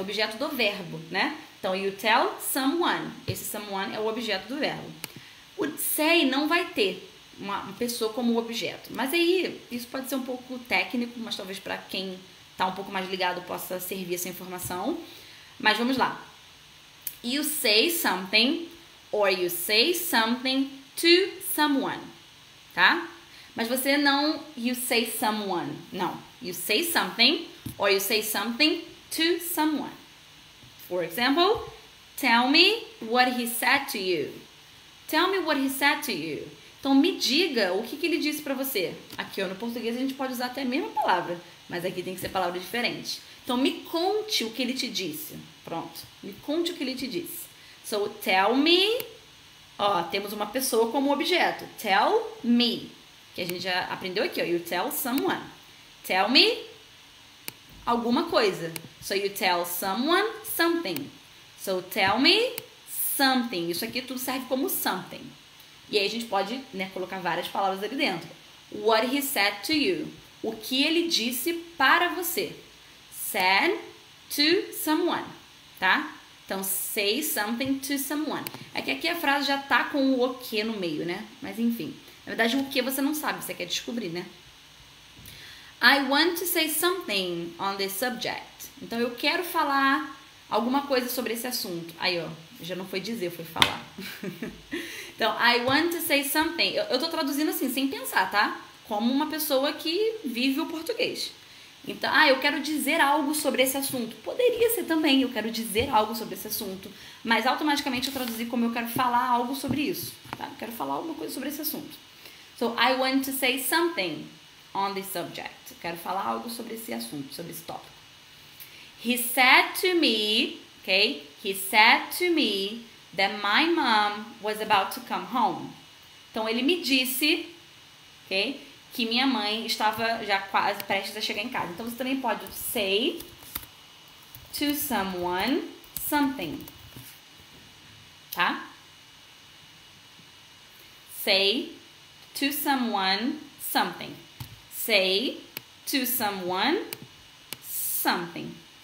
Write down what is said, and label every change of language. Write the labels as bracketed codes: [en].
[pt] Objeto do verbo, né? Então, [en] you tell someone. [pt] Esse someone é o objeto do verbo. O say não vai ter uma pessoa como objeto. Mas aí, isso pode ser um pouco técnico, mas talvez para quem está um pouco mais ligado possa servir essa informação. Mas vamos lá. [en] You say something, or you say something to someone, tá? [pt] Mas você não, [en] you say someone, não. You say something or you say something to someone. For example, tell me what he said to you. Tell me what he said to you. [pt] Então, me diga o que ele disse para você. Aqui, ó, no português, a gente pode usar até a mesma palavra, mas aqui tem que ser palavra diferente. Então, me conte o que ele te disse. Pronto. Me conte o que ele te disse. [en] So, tell me... [pt] Ó, temos uma pessoa como objeto. [en] Tell me. [pt] Que a gente já aprendeu aqui, ó. [en] You tell someone. [pt] Tell me alguma coisa. [en] So, you tell someone something. So, tell me something. [pt] Isso aqui tudo serve como something. E aí a gente pode, né, colocar várias palavras ali dentro. [en] What he said to you. [pt] O que ele disse para você. [en] Said to someone. Tá? [pt] Então, [en] say something to someone. [pt] É que aqui a frase já tá com o que no meio, né? Mas enfim. Na verdade, o que você não sabe. Você quer descobrir, né? [en] I want to say something on this subject. [pt] Então, eu quero falar alguma coisa sobre esse assunto. Aí, ó. Já não foi dizer, foi falar. Então, [en] I want to say something. [pt] Eu tô traduzindo assim, sem pensar, tá? Como uma pessoa que vive o português. Então, ah, eu quero dizer algo sobre esse assunto. Poderia ser também, eu quero dizer algo sobre esse assunto. Mas automaticamente eu traduzi como eu quero falar algo sobre isso. Tá? Eu quero falar alguma coisa sobre esse assunto. [en] So, I want to say something on this subject. [pt] Eu quero falar algo sobre esse assunto, sobre esse tópico. [en] He said to me, ok? He said to me that my mom was about to come home. [pt] Então, ele me disse, ok? Que minha mãe estava já quase prestes a chegar em casa. Então, você também pode [en] say to someone something. [pt] Tá? [en] Say to someone something. Say to someone something.